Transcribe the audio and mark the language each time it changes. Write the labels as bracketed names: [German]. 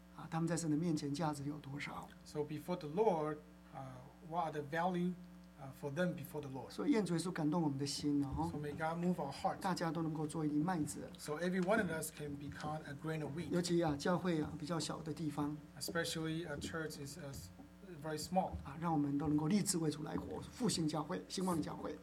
[Chinese] 他们在神的面前价值有多少 [English] ？So before the Lord, what are the value for them before the Lord？ [Chinese] 所以愿主耶稣感动我们的心哦。 [English] So may God move our hearts。 [Chinese] 大家都能够做一粒麦子。 [English] So every one of us can become a grain of wheat。 [Chinese] 尤其啊，教会啊，比较小的地方。 [English] Especially a church is very small。 [Chinese] 啊，让我们都能够立志为主来活，复兴教会，兴旺教会。